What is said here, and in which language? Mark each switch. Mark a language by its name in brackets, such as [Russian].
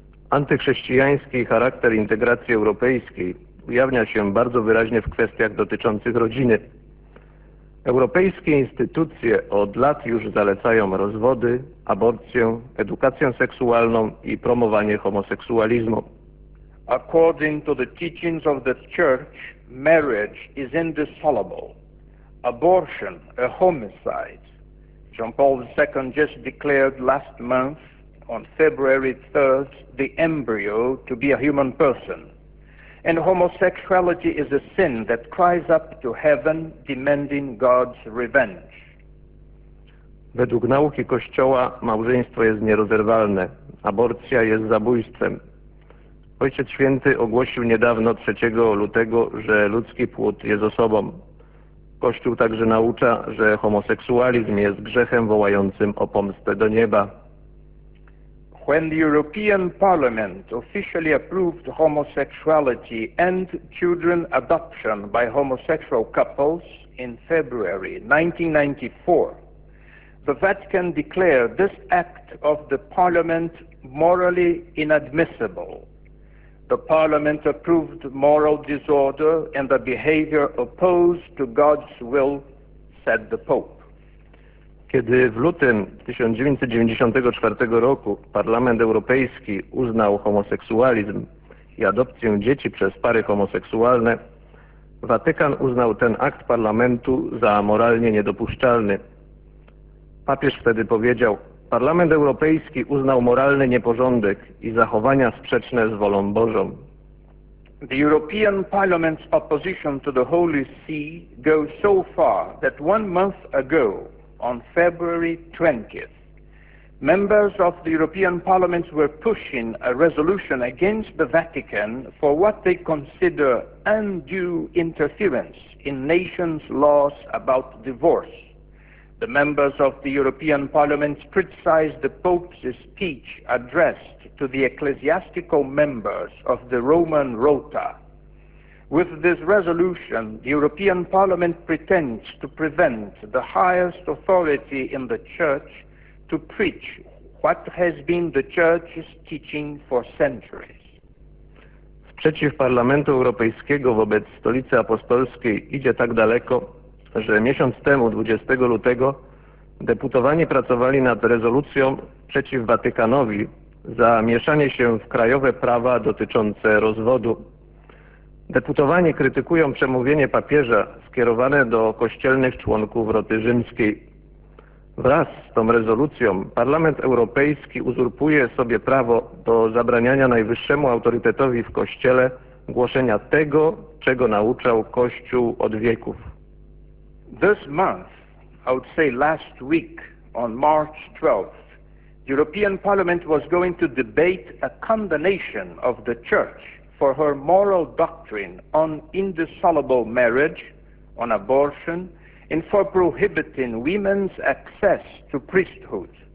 [Polish] Antychrześcijański charakter integracji europejskiej ujawnia się bardzo wyraźnie w kwestiach dotyczących rodziny. Europejskie instytucje od lat już zalecają rozwody, aborcję, edukację seksualną i promowanie homoseksualizmu. [English] According to the teachings of the Church, marriage is indissoluble. Abortion, a homicide. John Paul II just declared last month, on February 3rd, the embryo to be a human person. And homosexuality is a sin that cries up to heaven demanding God's revenge. [Polish] Według nauki Kościoła małżeństwo jest nierozerwalne. Aborcja jest zabójstwem. Ojciec Święty ogłosił niedawno 3 lutego, że ludzki płód jest osobą. Kościół także naucza, że homoseksualizm jest grzechem wołającym o pomstę do nieba. [English] When the European Parliament officially approved homosexuality and children adoption by homosexual couples in February 1994, the Vatican declared this act of the Parliament morally inadmissible. The Parliament approved moral disorder and the behavior opposed to God's will, said the Pope. [Polish] Kiedy w lutym 1994 roku Parlament Europejski uznał homoseksualizm i adopcję dzieci przez pary homoseksualne, Watykan uznał ten akt Parlamentu za moralnie niedopuszczalny. Papież wtedy powiedział, Parlament Europejski uznał moralny nieporządek i zachowania sprzeczne z wolą Bożą. [English] The European Parliament's opposition to the Holy See goes so far that 1 month ago, on February 20th, members of the European Parliament were pushing a resolution against the Vatican for what they consider undue interference in nations' laws about divorce. The members of the European Parliament criticized the Pope's speech addressed to the ecclesiastical members of the Roman Rota. With this resolution, the European Parliament pretends to prevent the highest authority in the Church to preach what has been the Church's teaching for centuries. [Polish] Sprzeciw Parlamentu Europejskiego wobec Stolicy Apostolskiej idzie tak daleko, że miesiąc temu, 20 lutego, deputowani pracowali nad rezolucją przeciw Watykanowi za mieszanie się w krajowe prawa dotyczące rozwodu. Deputowani krytykują przemówienie papieża skierowane do kościelnych członków Roty Rzymskiej. Wraz z tą rezolucją Parlament Europejski uzurpuje sobie prawo do zabraniania najwyższemu autorytetowi w Kościele głoszenia tego, czego nauczał Kościół od wieków. [English] This month, I would say last week, on March 12th, the European Parliament was going to debate a condemnation of the Church for her moral doctrine on indissoluble marriage, on abortion, and for prohibiting women's access to priesthood.